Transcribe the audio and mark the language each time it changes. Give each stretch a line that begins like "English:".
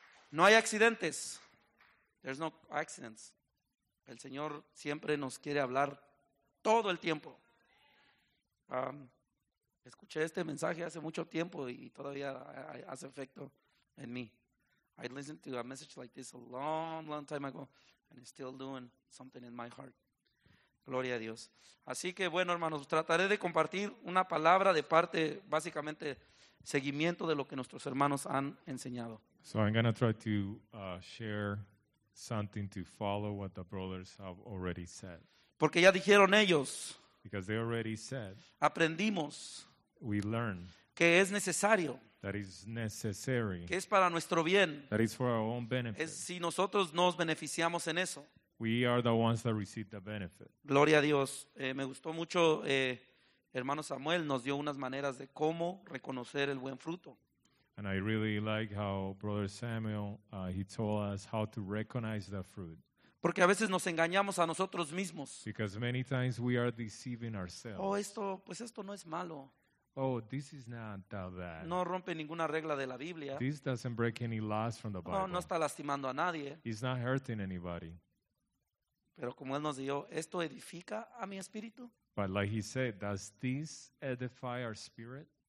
Spanish: No hay accidentes.
English: There's no accidents.
Spanish: El Señor siempre nos quiere hablar todo el tiempo. Escuché este mensaje hace mucho tiempo y todavía hace efecto en mí.
English: I listened to a message like this a long, long time ago, and it's still doing something in my heart.
Spanish: Gloria a Dios. Así que bueno, hermanos, trataré de compartir una palabra de parte, básicamente, seguimiento de lo que nuestros hermanos han enseñado.
English: So I'm going to try to share something to follow what the brothers have already said.
Spanish: Porque ya dijeron ellos.
English: Because they already said.
Spanish: Aprendimos.
English: We learned.
Spanish: Que es necesario.
English: That is necessary.
Spanish: Que es para nuestro bien.
English: That is for our own benefit.
Spanish: Es si nosotros nos beneficiamos en eso.
English: We are the ones that receive the benefit.
Spanish: Gloria a Dios. Me gustó mucho, hermano Samuel nos dio unas maneras de cómo reconocer el buen fruto.
English: And I really like how Brother Samuel, he told us how to recognize the fruit.
Spanish: Porque a veces nos engañamos a nosotros mismos.
English: Because many times we are deceiving ourselves.
Spanish: Oh, esto, pues esto no es malo.
English: Oh, this is not that bad.
Spanish: No rompe ninguna regla de la Biblia.
English: This doesn't break any laws from the Bible.
Spanish: No, no está lastimando a nadie.
English: It's not hurting anybody.
Spanish: Pero como él nos dijo, esto edifica a mi espíritu.
English: But like he said, does this edify our spirit?